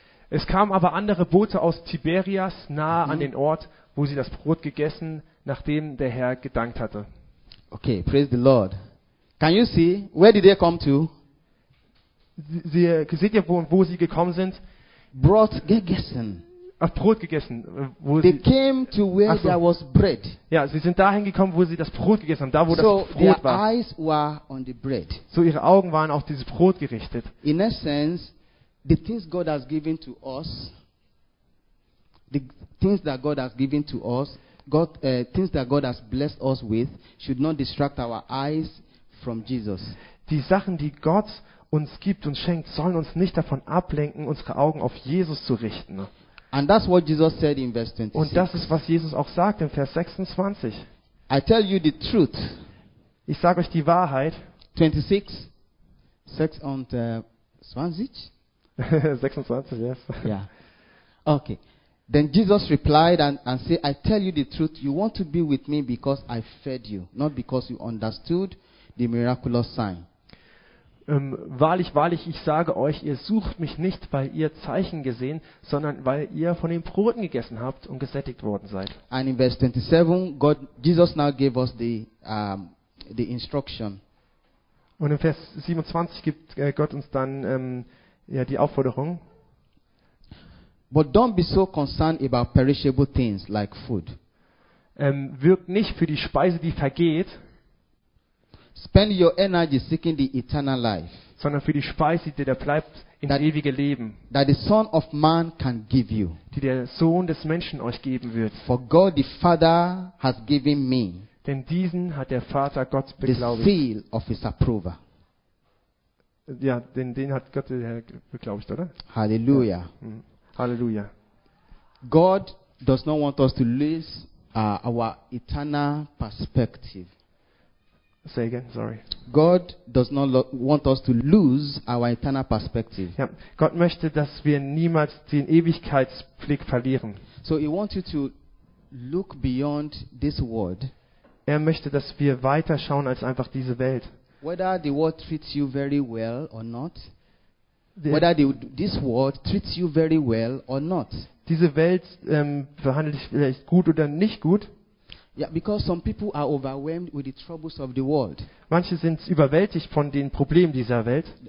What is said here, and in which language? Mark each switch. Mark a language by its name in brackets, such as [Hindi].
[German] Es kamen aber andere Boote aus Tiberias nahe an den Ort, wo sie das Brot gegessen, nachdem der Herr gedankt hatte. [English] Okay, praise the Lord. Can you see, where did they come to? [German] Sie seht ihr, wo sie gekommen sind? Brot gegessen. Ach, Brot gegessen. Wo [English] they [German] sie, [English] came to where so. There was bread. [German] Ja, sie sind dahin gekommen, wo sie das Brot gegessen haben, da wo [English] so [German] das Brot [English] their [German] war. [English] Eyes were on the bread. [German] So ihre Augen waren auf dieses Brot gerichtet. [English] In essence, the things God has given to us, the things that God has given to us, God, things that God has blessed us with, should not distract our eyes from Jesus. [German] Die Sachen, die Gott uns gibt und schenkt, sollen uns nicht davon ablenken, unsere Augen auf Jesus zu richten. [English] And that's what Jesus said in verse 26. [German] Und das ist, was Jesus auch sagt in Vers 26. [English] I tell you the truth. [German] Ich sage euch die Wahrheit. [English] 26. 26, yes. Yeah. Okay. Then Jesus replied and said, I tell you the truth. You want to be with me because I fed you, not because you understood the miraculous sign. [German] Wahrlich, ich sage euch, ihr sucht mich nicht, weil ihr Zeichen gesehen, sondern weil ihr von den Broten gegessen habt und gesättigt worden seid. [English] And in verse 27, Jesus now gave us the instruction. [German] Und in Vers 27 gibt Gott uns dann ja, die Aufforderung. [English] But don't be so concerned about perishable things like food. [German] Wirkt nicht für die Speise, die vergeht. [English] Spend your energy seeking the eternal life. [German] Sondern für die Speise, die da bleibt, in das ewige Leben. [English] That the Son of Man can give you. [German] Die der Sohn des Menschen euch geben wird. [English] For God the Father has given me. [German] Denn diesen hat der Vater Gott beglaubigt. [English] The seal of his approval. [German] Ja, den hat Gott geglaubt, oder? Halleluja. Halleluja. [English] God does not want us to lose our eternal perspective. Say again, sorry. God does not want us to lose our eternal perspective. [German] Ja, Gott möchte, dass wir niemals den Ewigkeitsblick verlieren. [English] So he wants you to look beyond this world. [German] Er möchte, dass wir weiter schauen als einfach diese Welt. [English] Whether the world treats you very well or not. Whether this world treats you very well or not. [German] Diese Welt behandelt dich vielleicht gut oder nicht gut. [English] Yeah, because some people are overwhelmed with the troubles of the world. [German] Manche sind überwältigt von den Problemen dieser Welt.